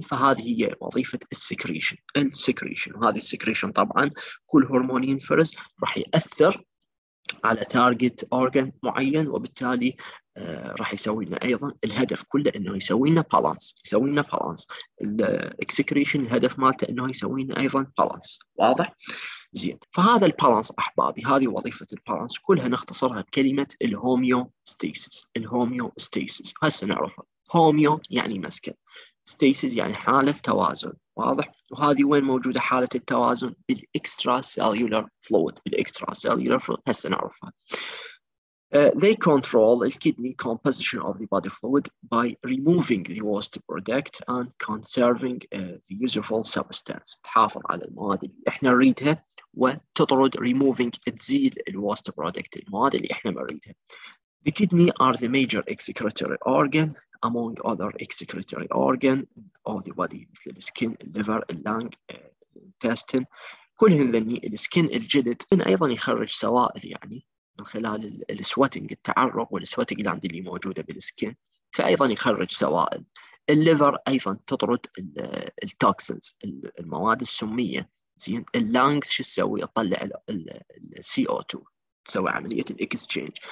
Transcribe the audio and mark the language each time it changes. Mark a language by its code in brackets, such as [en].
[ar] فهذه هي وظيفه السكريشن، السكريشن، وهذه السكريشن طبعا كل هرمون ينفرز راح ياثر على تارجت اورجن معين، وبالتالي راح يسوي لنا ايضا الهدف كله انه يسوي لنا بالانس، يسوي لنا بالانس الاكسكريشن، الهدف مالته انه يسوي لنا ايضا بالانس، واضح؟ زين، فهذا البالانس احبابي، هذه وظيفه البالانس كلها نختصرها بكلمه الهوميوستاسيس. الهوميوستاسيس هسه نعرفها، هوميو يعني مسكن، ستاسيس يعني حاله توازن، واضح؟ وهذه وين موجوده حاله التوازن؟ بالاكسترا سيلولر فلويد، بالاكسترا سيلولر فلويد هسه نعرفها. [en] They control the kidney composition of the body fluid by removing the waste product and conserving the useful substance. [ar] تحافظ على المواد اللي احنا نريدها وتطرد removing تزيل ال waste product المواد اللي احنا ما نريدها. [en] The kidney are the major excretory organ among other excretory organ of the body [ar] مثل [en] the skin, the liver, the lung, intestine. [ar] كل هذني ال skin الجلد ايضا يخرج سوائل يعني من خلال السواتينج التعرق والسواتينج جلاند اللي موجوده بالسكين فايضا يخرج سوائل. الليفر ايضا تطرد التوكسنز المواد السميه. زين، اللانجز شو تسوي؟ تطلع السي او 2، تسوي عمليه الاكسشينج.